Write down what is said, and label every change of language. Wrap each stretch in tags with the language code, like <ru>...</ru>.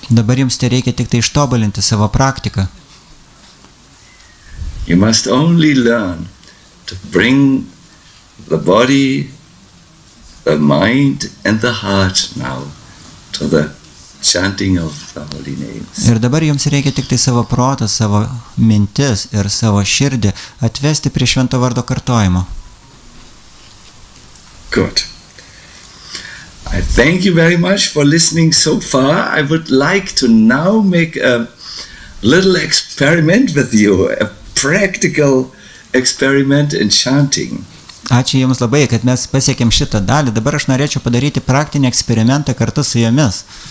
<lt>Dabar jums tai reikia tik tai ištobulinti savo praktiką.</lt> <en>You must only learn to bring the body, the mind and the heart now to the chanting of the holy names.</en> <lt>Ir dabar jums reikia tik tai savo protą, savo mintis ir savo širdį atvesti prie švento vardo kartojimo.</lt> <en>Good. I thank you very much for listening so far. I would like to now make a little experiment with you, a practical experiment in chanting.</en> <lt>Ačiū jums labai, kad mes pasiekėm šitą dalį. Dabar aš norėčiau padaryti praktinį eksperimentą kartu su jumis.</lt>